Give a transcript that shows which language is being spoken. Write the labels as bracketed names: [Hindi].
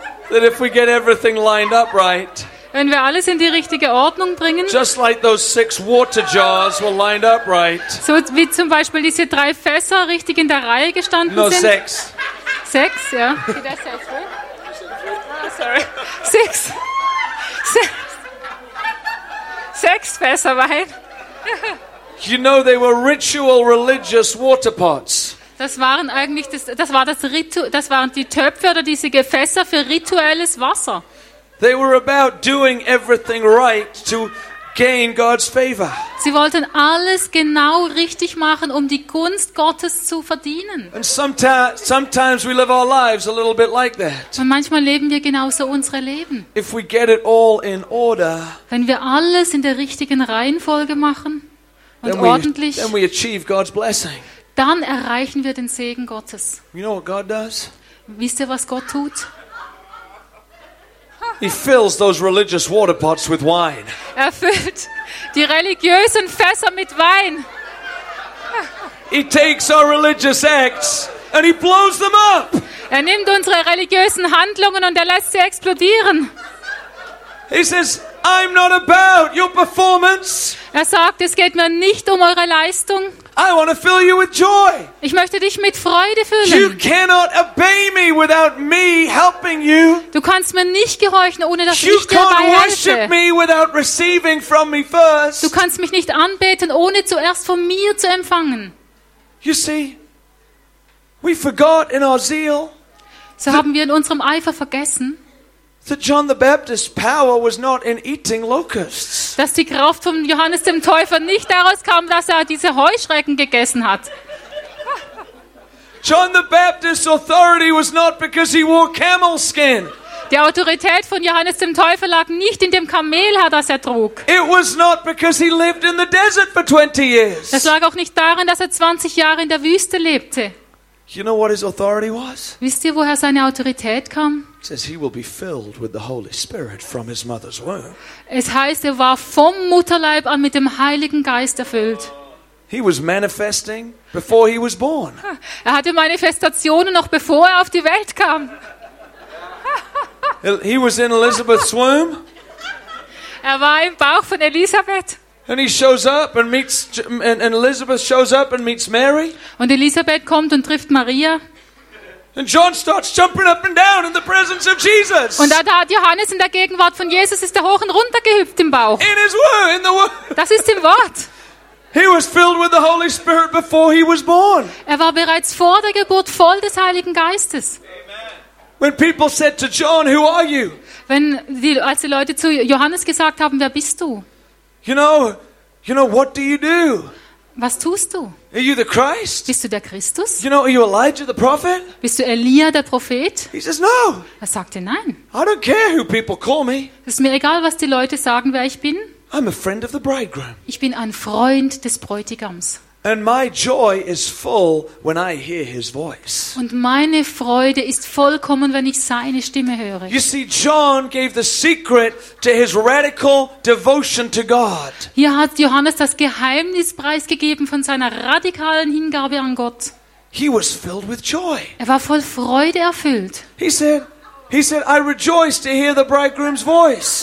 [English] that if we get everything lined up right, [German] wenn wir alles in die richtige Ordnung bringen, [English] just like those six water jars were lined up right, [German] so wie zum Beispiel diese drei Fässer richtig in der Reihe gestanden [English] no, [German] sind. [English] No, six. Six, yeah. Did I say three? [German] Six Fässer Wein. [English] You know they were ritual religious water pots. [German] Das waren die Töpfe oder diese Gefäße für rituelles Wasser. [English] They were about doing everything right to gain God's favor. [German] Sie wollten alles genau richtig machen, um die Gunst Gottes zu verdienen. [English] And sometimes we live our lives a little bit like that. [German] Und manchmal leben wir genauso unsere Leben. [English] If we get it all in order, [German] wenn wir alles in der richtigen Reihenfolge machen und ordentlich, [English] then we achieve God's blessing. [German] Dann erreichen wir den Segen Gottes. [English] You know what God does? [German] Wisst ihr, was Gott tut? [English] He fills those religious water pots with wine. [German] Er füllt die religiösen Fässer mit Wein. [English] He takes our religious acts and he blows them up. [German] Er nimmt unsere religiösen Handlungen und er lässt sie explodieren. [English] He says, I'm not about your performance. [German] Er sagt, es geht mir nicht um eure Leistung. [English] I want to fill you with joy. [German] Ich möchte dich mit Freude füllen. [English] You cannot obey me without me helping you. [German] Du kannst mir nicht gehorchen, ohne dass [English] you [German] ich dir dabei helfe. [English] You can't worship me without receiving from me first. [German] Du kannst mich nicht anbeten, ohne zuerst von mir zu empfangen. [English] You see, we forgot in our zeal. [German] So haben wir in unserem Eifer vergessen. [English] That John the Baptist's power was not in eating locusts. [German] Dass die Kraft von Johannes dem Täufer nicht daraus kam, dass er diese Heuschrecken gegessen hat. [English] John the Baptist's authority was not because he wore camel skin. [German] Die Autorität von Johannes dem Täufer lag nicht in dem Kamelhaar, das er trug. [English] It was not because he lived in the desert for 20 years. [German] Das lag auch nicht daran, dass er 20 Jahre in der Wüste lebte. [English] You know what his authority was? [German] Wisst ihr, woher seine Autorität kam? [English] It says he will be filled with the Holy Spirit from his mother's womb. [German] Es heißt, er war vom Mutterleib an mit dem Heiligen Geist erfüllt. [English] He was manifesting before he was born. [German] Er hatte Manifestationen noch bevor er auf die Welt kam. [English] He was in Elizabeth's womb. [German] Er war im Bauch von Elisabeth. [English] And he shows up and meets and Elizabeth shows up and meets Mary. [German] Und Elisabeth kommt und trifft Maria. [English] And John starts jumping up and down in the presence of Jesus. [German] Und da hat Johannes in der Gegenwart von Jesus ist er hoch und runter gehüpft im Bauch. [English] In his womb, in the womb. [German] Das ist im Wort. [English] He was filled with the Holy Spirit before he was born. [German] Er war bereits vor der Geburt voll des Heiligen Geistes. [English] Amen. When people said to John, "Who are you?" [German] Als die Leute zu Johannes gesagt haben, wer bist du? [English] You know, what do you do? [German] Was tust du? [English] Are you the Christ? [German] Bist du der Christus? [English] You know, are you Elijah the prophet? [German] Bist du Elia der Prophet? [English] He says no. [German] Er sagte nein. [English] I don't care who people call me. [German] Es ist mir egal, was die Leute sagen, wer ich bin. [English] I'm a friend of the bridegroom. [German] Ich bin ein Freund des Bräutigams. [English] And my joy is full when I hear his voice. [German] Und meine Freude ist vollkommen, wenn ich seine Stimme höre. [English] You see, John gave the secret to his radical devotion to God. [German] Hier hat Johannes das Geheimnis preisgegeben von seiner radikalen Hingabe an Gott. [English] He was filled with joy. [German] Er war voll Freude erfüllt. [English] He said, I rejoice to hear the bridegroom's voice.